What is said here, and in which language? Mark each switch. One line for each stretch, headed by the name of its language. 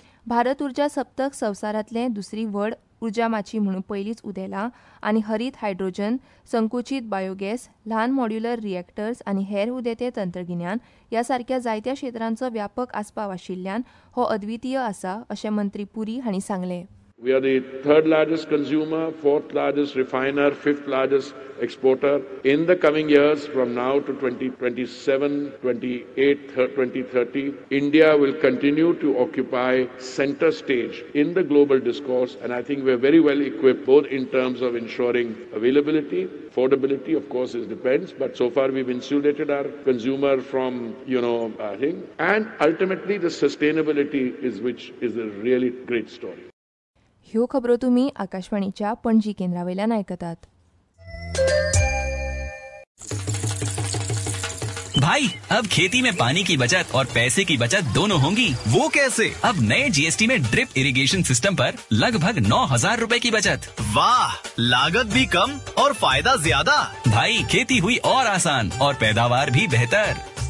Goan Konkani: भारत उर्जा सप्तक संवसारांतलें दुसरी व्हड उर्जा माची म्हणून पयलींच उदेला आनी हरीत हायड्रोजन, संकुचीत बायोगॅस, ल्हान मॉड्युलर रिएक्टर्स आनी हेर उदेते तंत्रगिन्यान ह्या सारक्या जायत्या क्षेत्रांचो व्यापक आसपाव आशिल्ल्यान हो अद्वितीय आसा अशें मंत्री पुरी हांणी सांगलें.
English: We are the third largest consumer, fourth largest refiner, fifth largest exporter. In the coming years, from now to 2027, 2028, 2030, India will continue to occupy center stage in the global discourse. And I think we're very well equipped, both in terms of ensuring availability, affordability, of course, it depends. But so far, we've insulated our consumer from, you know, I think. And ultimately, the sustainability is which is a really great story.
Goan Konkani: ह्यो खबरो तुम्ही आकाशवाणीच्या पणजी केंद्रावेल्यान ऐकतात.
Hindi: भाई, अब खेती में पानी की बचत और पैसे की बचत दोनों होंगी. वो कैसे? अब नए जीएसटी में ड्रिप इरिगेशन सिस्टम पर लगभग 9,000 रुपए की बचत. वाह, लागत भी कम और फायदा ज्यादा. भाई, खेती हुई और आसान और पैदावार भी बेहतर.